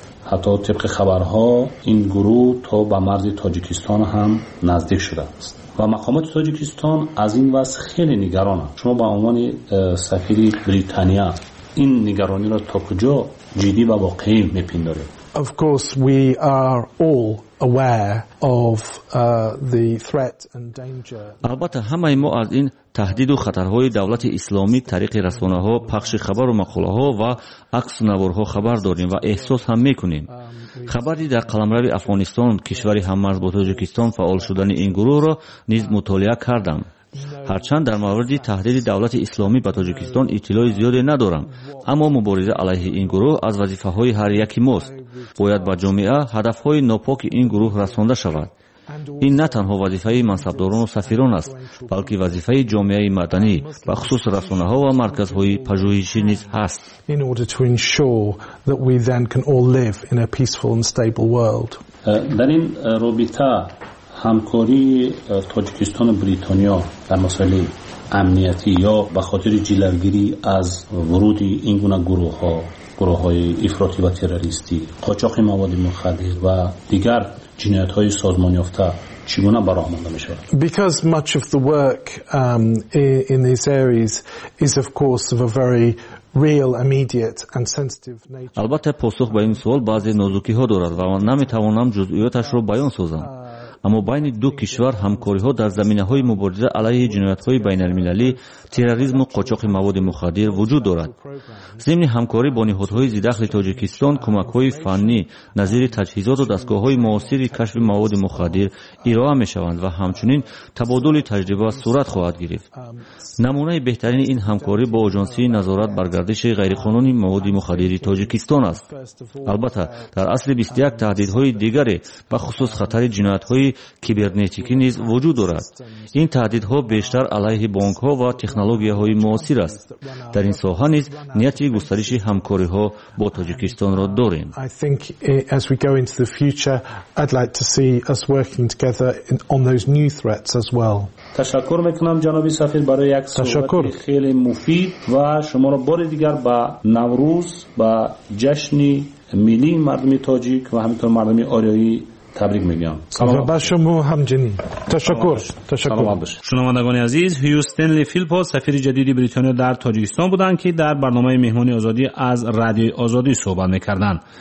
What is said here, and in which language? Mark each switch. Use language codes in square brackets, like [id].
[fa] حتی طبق خبرها این گروه تا به مرز تاجیکستان هم نزدیک شده است و مقامات تاجیکستان از این وضع خیلی نگران هست. شما به عنوان سفیر بریتانیا این نگرانی را تا کجا جدی و واقعی می پندارید؟ [en] Of course we are all aware of the threat and danger. [fa] البته همه ما از این تهدید و خطرهای دولت اسلامی طریق رسانه‌ها، پخش خبر و مقاله‌ها و عکس نوارها خبر داریم و احساس هم میکنیم. خبری در قلمرو افغانستان، کشوری هممرز با تاجیکستان، فعال شدن این گروه را نیز مطالعه کردم. هرچند در مورد تهدید دولت اسلامی به تاجیکستان اطلاع زیاده ندارم، اما مبارزه علیه این گروه از وظیفه های هر یکی ماست. باید به جامعه هدف های ناپاک این گروه رسانده شود. این نه تنها وظیفه منصبداران و سفیران است، بلکه وظیفه جامعه مدنی و خصوص رسانه ها و مرکز های پژوهشی نیز هست. [en] In order to ensure that we then can all live in a peaceful and stable world. [fa] در این رابطه همکاری تاجیکستان و بریتانیا در مسائل امنیتی یا به خاطر جلوگیری از ورود این گونه گروه ها، گروه های افراطی و تروریستی، قاچاق مواد مخدر و دیگر جنایت های سازمان یافته چگونه براه مانده می شود؟ [en] Because much of the work in these areas is of course of a very real immediate and sensitive nature. [fa] البته پاسخ به این سوال بعضی نازکی ها دارد و من نمی توانم جزئیاتش را بیان سازم، اما بین دو کشور همکاری ها در زمینه های مبارزه علیه جنایت های بین المللی، تروریسم و قاچاق مواد مخدر وجود دارد. ضمن همکاری با نهادهای ضد دخل تاجیکستان، کمک های فنی نظیر تجهیزات و دستگاه های معاصر کشف مواد مخدر ارائه می شوند و همچنین تبادل تجربه صورت خواهد گرفت. نمونه بهترین این همکاری با آژانسی نظارت بر گردش غیرقانونی مواد مخدر تاجیکستان است. البته در اصل 21 تهدیدهای دیگری به خصوص خطر جنایت های کیبرنتیکی نیز وجود دارد. این تهدیدها بیشتر علیه بانک ها و تکنولوژی های معاصر است. در این ساحه نیز نیت گسترش همکاری ها با تاجیکستان را داریم. [en] I think as we go into the future I'd like to see us working together on those new threats as well. [fa] تشکر میکنم جناب سفیر برای یک صحبت خیلی مفید و شما را بار دیگر با نوروز، با جشن ملی مردم تاجیک و همینطور مردم آریایی تبریک میگم. سلام به شما همچنین. تشکر. شنوندگان عزیز، هیو استنلی فیلپو سفیر جدید بریتانیا در تاجیکستان بودند که در برنامه مهمانی آزادی از رادیو آزادی صحبت میکردند.